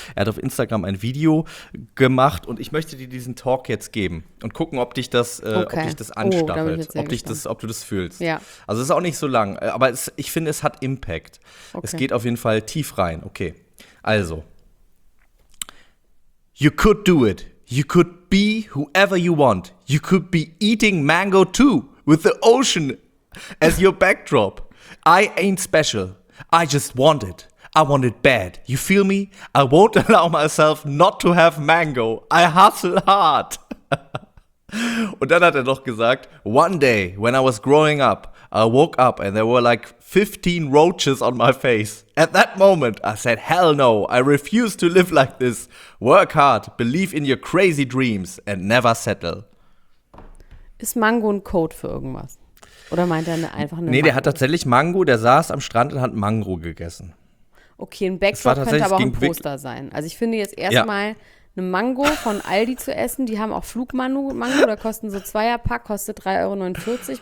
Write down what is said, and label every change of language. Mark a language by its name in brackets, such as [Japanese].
[German] Er hat auf Instagram ein Video gemacht und ich möchte dir diesen Talk jetzt geben und gucken, ob dich das, okay. ob dich das anstachelt, ob du das fühlst. Ja. Also es ist auch nicht so lang, aber ich finde, es hat Impact. Okay. Es geht auf jeden Fall tief rein. Okay, also. [English] You could do it. You could be whoever you want. You could be eating mango too with the ocean as your backdrop. I ain't special. I just want it. I want it bad. You feel me? I won't allow myself not to have mango. I hustle hard. [German] Und dann hat noch gesagt, [English] one day when I was growing up, I woke up and there were like 15 roaches on my face. At that moment, I said, hell no, I refuse to live like this. Work hard, believe in your crazy dreams and never settle. [German] Ist Mango ein Code für irgendwas? Oder meint er einfach eine Mango? Nee, der hat tatsächlich Mango, der saß am Strand und hat Mango gegessen. Okay, ein Backdrop könnte aber auch ein Poster sein. Also ich finde jetzt erstmal eine Mango von Aldi zu essen, die haben auch Flugmango, da kosten so 2er-Pack, kostet 3,49 €.